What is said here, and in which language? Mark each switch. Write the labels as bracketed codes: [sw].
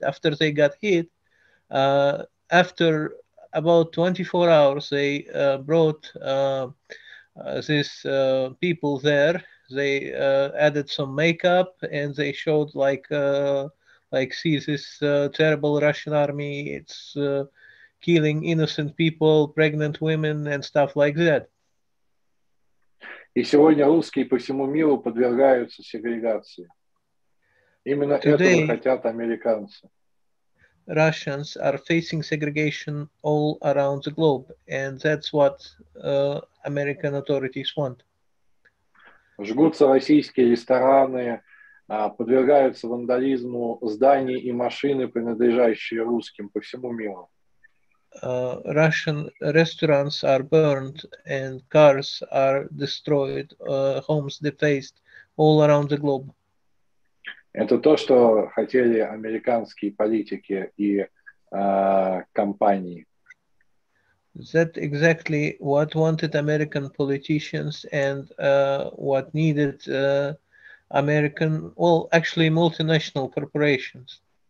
[en] After they got hit, after about 24 hours, they brought these people there. They added some makeup, and they showed like see this terrible Russian army. It's killing innocent people, pregnant women, and stuff like that. [ru] И сегодня русские по всему миру подвергаются сегрегации. Именно этого хотят американцы. [en] Russians are facing segregation all around the globe, and that's what American authorities want. [ru] Жгутся российские рестораны, подвергаются вандализму зданий и машины, принадлежащие русским по всему миру. [en] Russian restaurants are burned and cars are destroyed, homes defaced all around the globe. [ru] Это то, что хотели американские политики и компании. [en] That exactly what wanted American politicians and what needed American, well, actually multinational corporations.